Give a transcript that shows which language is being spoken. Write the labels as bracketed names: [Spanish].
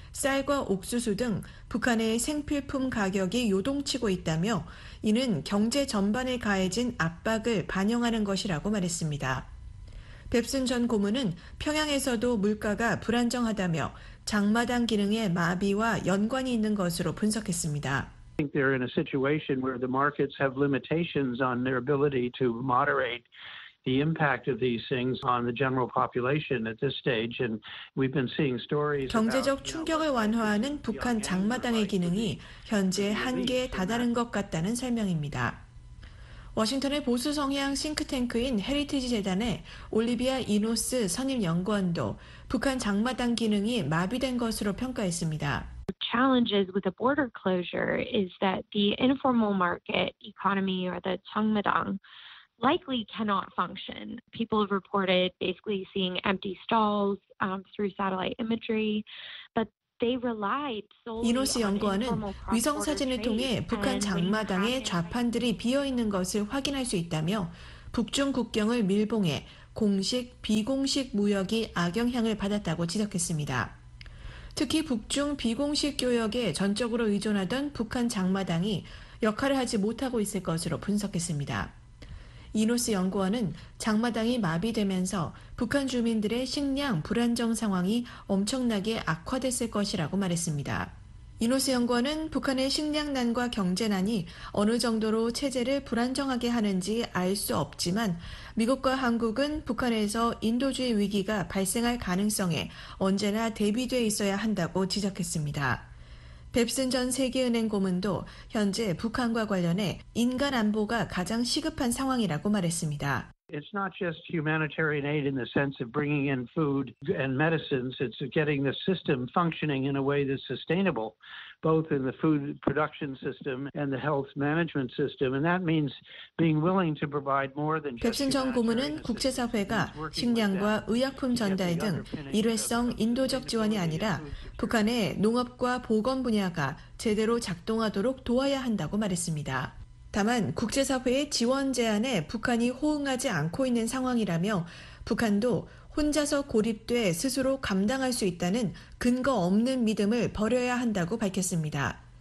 [Korean] 쌀과 옥수수 등 북한의 생필품 가격이 요동치고 있다며 이는 경제 전반에 가해진 압박을 반영하는 것이라고 말했습니다. 뱁슨 전 고문은 평양에서도 물가가 불안정하다며 장마당 기능의 마비와 연관이 있는 것으로 분석했습니다. [English] I think they're in a situation where the markets have limitations on their ability to moderate the impact of these things on the general population at this stage. And we've been seeing stories. [Korean] 경제적 충격을 완화하는 북한 장마당의 기능이 현재 한계에 다다른 것 같다는 설명입니다. 워싱턴의 보수 성향 싱크탱크인 헤리티지 재단의 올리비아 이노스 선임 연구원도 북한 장마당 기능이 마비된 것으로 평가했습니다. [English] The challenges with the border closure is that the informal market economy or the changmadang likely cannot function. People have reported basically seeing empty stalls through satellite imagery, but they relied solely. [Korean] 이노스 연구원은 위성 사진을 통해 북한 장마당의 좌판들이 비어 있는 것을 확인할 수 있다며 북중 국경을 밀봉해 공식 비공식 무역이 악영향을 받았다고 지적했습니다. 특히 북중 비공식 교역에 전적으로 의존하던 북한 장마당이 역할을 하지 못하고 있을 것으로 분석했습니다. 이노스 연구원은 장마당이 마비되면서 북한 주민들의 식량 불안정 상황이 엄청나게 악화됐을 것이라고 말했습니다. 이노스 연구원은 북한의 식량난과 경제난이 어느 정도로 체제를 불안정하게 하는지 알 수 없지만 미국과 한국은 북한에서 인도주의 위기가 발생할 가능성에 언제나 대비돼 있어야 한다고 지적했습니다. 뱁슨 전 세계은행 고문도 현재 북한과 관련해 인간 안보가 가장 시급한 상황이라고 말했습니다. [English] It's not just humanitarian aid in the sense of bringing in food and medicines. It's getting the system functioning in a way that's sustainable, both in the food production system and the health management system. And that means being willing to provide more than just. [Korean] 뱁슨 전 고문은 국제사회가 식량과 의약품 전달 등 일회성 인도적 지원이 아니라 북한의 농업과 보건 분야가 제대로 작동하도록 도와야 한다고 말했습니다. 다만 국제사회의 지원 제안에 북한이 호응하지 않고 있는 상황이라며 북한도 혼자서 고립돼 스스로 감당할 수 있다는 근거 없는 믿음을 버려야 한다고 밝혔습니다.